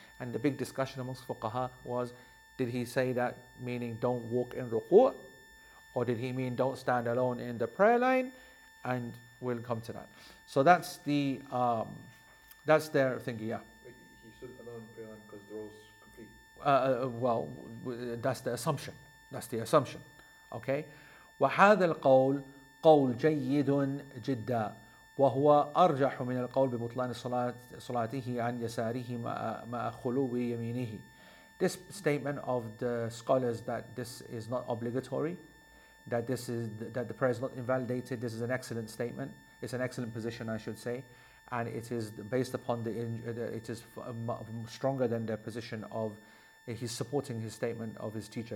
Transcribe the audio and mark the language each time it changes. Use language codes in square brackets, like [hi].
[en] And the big discussion amongst fuqaha was, did he say that meaning don't walk in ruku', or did he mean don't stand alone in the prayer line? And we'll come to that. So that's their thingy, yeah. He stood alone in prayer line because the rows complete. Well, that's the assumption. That's the assumption. Okay? [ar] وَهَذَا الْقَوْلِ قَوْلٌ جَيِّدٌ جِدًّا وهو أرجح من القول ببطلان صلاته عن يساره ما خلو يمينه. [en] This statement of the scholars that this is not obligatory, that this is that the prayer is not invalidated, this is an excellent statement. It's an excellent position, I should say, and it is based upon it is stronger than the position of he's supporting his statement of his teacher.